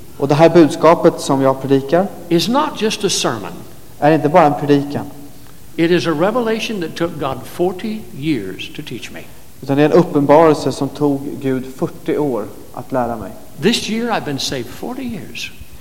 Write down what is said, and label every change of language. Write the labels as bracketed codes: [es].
[sv] Och det här budskapet som jag predikar. [en] Is not just a sermon. [sv] Är inte bara en predikan. [en] It is a revelation that took God 40 years to teach me. [sv] Utan det är en uppenbarelse som tog Gud 40 år att lära mig. [en] This year I've been saved 40 years.